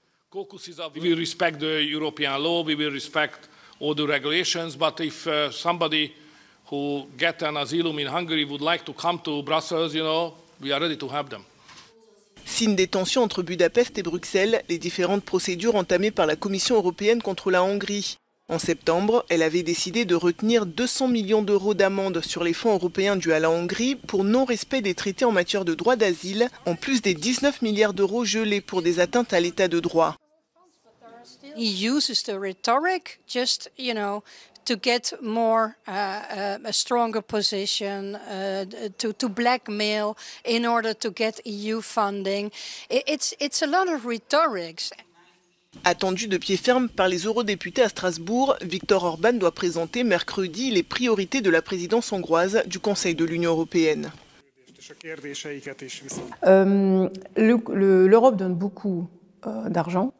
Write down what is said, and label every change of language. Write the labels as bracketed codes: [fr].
[en] We will respect the European law, we will respect all the regulations, but if somebody who get an asylum in Hungary would like to come to Brussels, you know, we are ready to help them. [fr] Signe des tensions entre Budapest et Bruxelles, les différentes procédures entamées par la Commission européenne contre la Hongrie. En septembre, elle avait décidé de retenir 200 millions d'euros d'amende sur les fonds européens dus à la Hongrie pour non-respect des traités en matière de droit d'asile, en plus des 19 milliards d'euros gelés pour des atteintes à l'état de droit. [en] He uses the rhetoric just, you know, to get more a stronger position, to blackmail in order to get EU funding. It's a lot of rhetorics. [fr] Attendu de pied ferme par les eurodéputés à Strasbourg, Viktor Orban doit présenter mercredi les priorités de la présidence hongroise du Conseil de l'Union européenne. L'Europe donne beaucoup d'argent.